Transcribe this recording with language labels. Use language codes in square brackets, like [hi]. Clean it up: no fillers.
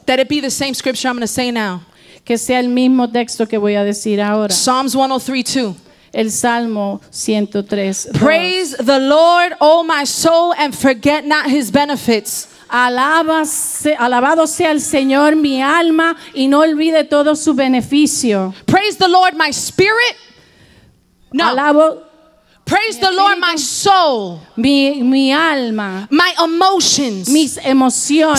[en] That it be the same scripture I'm going to say now. [es] Que sea el mismo texto que voy a decir ahora. [en] Psalms 103:2. [es] El Salmo 103:2. [en] Praise the Lord, O my soul, and forget not his benefits. [es] Alabado sea el Señor, mi alma, y no olvide todo su beneficio. [en] Praise the Lord, my spirit. No. Praise the Lord, my soul. [es] Mi alma. [en] My emotions. [es] Mis emociones.